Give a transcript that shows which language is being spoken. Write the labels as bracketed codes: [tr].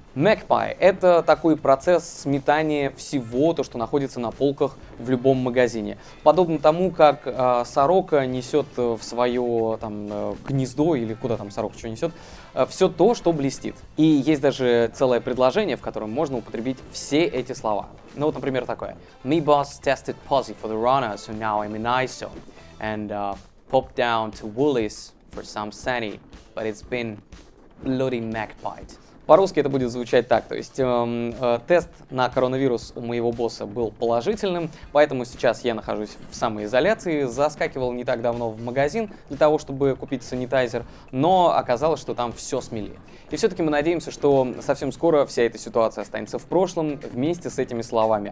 [ru] «Magpie» — это такой процесс сметания всего, то, что находится на полках в любом магазине. Подобно тому, как сорока несет в свое там, гнездо, или куда там сорока что несет, все то, что блестит. И есть даже целое предложение, в котором можно употребить все эти слова. Ну вот, например, такое. [en] «My boss tested positive for the rona, so now I'm in ISO. And, pop down to Woolies for some sunny, but it's been bloody magpie». [ru] По-русски это будет звучать так, то есть тест на коронавирус у моего босса был положительным, поэтому сейчас я нахожусь в самоизоляции, заскакивал не так давно в магазин для того, чтобы купить санитайзер, но оказалось, что там все смели. И все-таки мы надеемся, что совсем скоро вся эта ситуация останется в прошлом вместе с этими словами.